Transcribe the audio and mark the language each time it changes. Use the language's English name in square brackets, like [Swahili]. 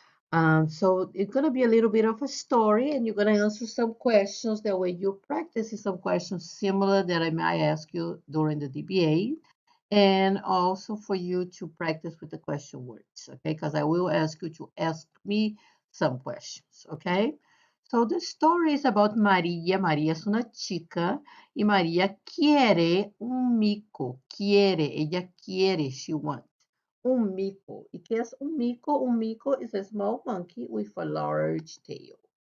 [English] So it's going to be a little bit of a story, and you're going to answer some questions. That way you're practicing some questions similar that I might ask you during the DBA, and also for you to practice with the question words, okay? Because I will ask you to ask me some questions, okay? So the story is about Maria. [Spanish] Maria es una chica, y Maria quiere un mico. Quiere, ella quiere, [English] she wants. [Spanish] Un mico. ¿Y qué es un mico? [English] Un mico is a small monkey with a large tail.